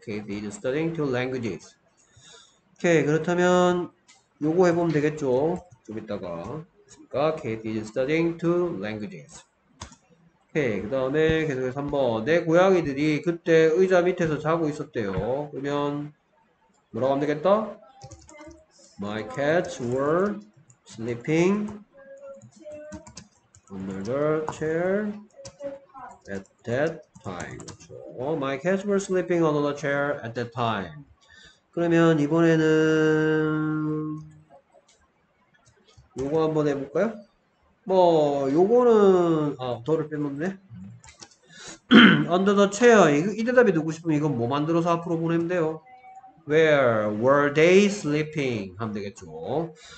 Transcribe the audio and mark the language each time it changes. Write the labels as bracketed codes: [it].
[ko] 케이티 [en] is studying two languages. [ko] 오케이 그렇다면 요거 해보면 되겠죠. 좀 이따가. 그러니까 [en] Kate is studying two languages. [ko] 오케이. 그 다음에 계속해서 3번. 내 고양이들이 그때 의자 밑에서 자고 있었대요. 그러면 뭐라고 하면 되겠다? [en] My cats were sleeping under the chair at that time. My cats were sleeping under the chair at that time. [ko] 그러면 이번에는 요거 한번 해볼까요? 뭐 요거는 아 더를 빼먹네. [en] Under the chair. [ko] 이 대답이 누구 싶으면 이건 뭐 만들어서 앞으로 보내면 돼요. [en] Where were they sleeping? [ko] 하면 되겠죠.